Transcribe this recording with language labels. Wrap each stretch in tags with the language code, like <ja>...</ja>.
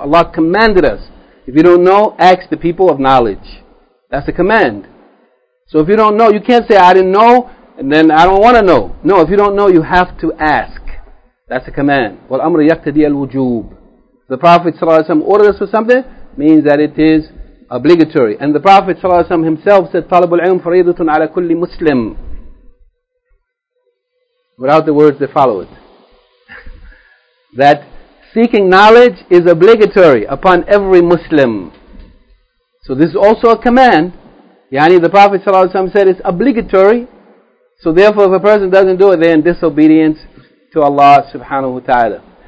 <en>Allah commanded us, if you don't know, ask the people of knowledge. That's a command. So if you don't know, you can't say, I didn't know, and then I don't want to know. No, if you don't know, you have to ask. That's a command.</en> <ar>وَالْأَمْرَ يَقْتَدِيَ الْوُجُوبِ.</ar> <en>The Prophet ﷺ ordered us for something, means that it is obligatory. And the Prophet ﷺ himself said,</en> <ar>طَلَبُ الْعِلْمِ فَرِيضَةٌ عَلَى كُلِّ مُسْلِمٍ.</ar> <en>Without the words that follow it. That seeking knowledge is obligatory upon every Muslim. So this is also a command. Yani the Prophet ﷺ said it's obligatory. So therefore if a person doesn't do it, they're in disobedience to Allah subhanahu wa ta'ala.</en>